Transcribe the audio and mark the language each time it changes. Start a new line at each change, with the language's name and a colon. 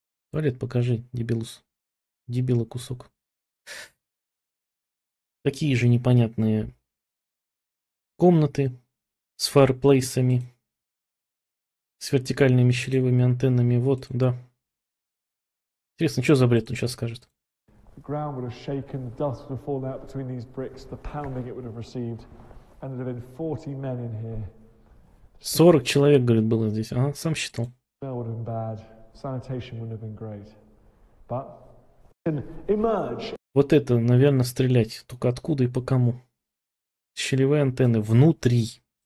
Russian: Туалет покажи, дебилус. Дебила кусок. Такие же непонятные комнаты с фаерплейсами, с вертикальными щелевыми антеннами. Вот, да. Интересно, что за бред он сейчас скажет?
English: The ground would have shaken, the dust would have fallen out between these bricks, the pounding it would have received, and there'd have been 40 men in here.
Russian: 40 человек, говорит, было здесь. Ага, сам считал.
English: Smell would have been bad, sanitation wouldn't have been great, but
Russian: Вот это, наверное, стрелять. Только откуда и по кому? Щелевые антенны внутри.